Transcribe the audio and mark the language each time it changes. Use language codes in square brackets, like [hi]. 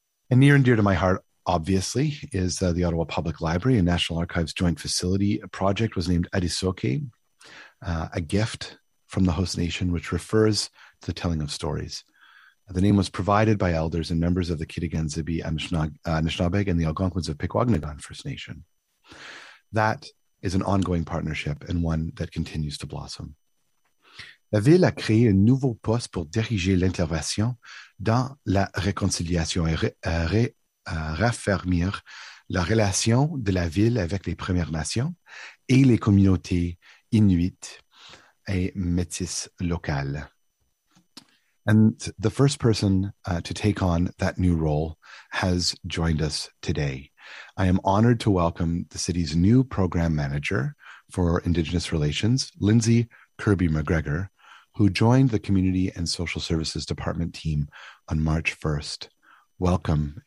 [en] And near and dear to my heart, obviously, is the Ottawa Public Library and National Archives Joint Facility Project was named Adisoke, a gift from the host nation, which refers to the telling of stories. The name was provided by elders and members of the Kitigan-Zibi Anishinaabeg and the Algonquins of Pickwagnagon First Nation. That is an ongoing partnership and one that continues to blossom. [fr] La ville a créé un nouveau poste pour diriger l'intervention dans la réconciliation et raffermir la relation de la ville avec les Premières Nations et les communautés Inuits et Métis locales. [en] And the first person to take on that new role has joined us today. I am honored to welcome the city's new program manager for Indigenous Relations, Lindsay Kirby-McGregor, who joined the Community and Social Services Department team on March 1st. Welcome.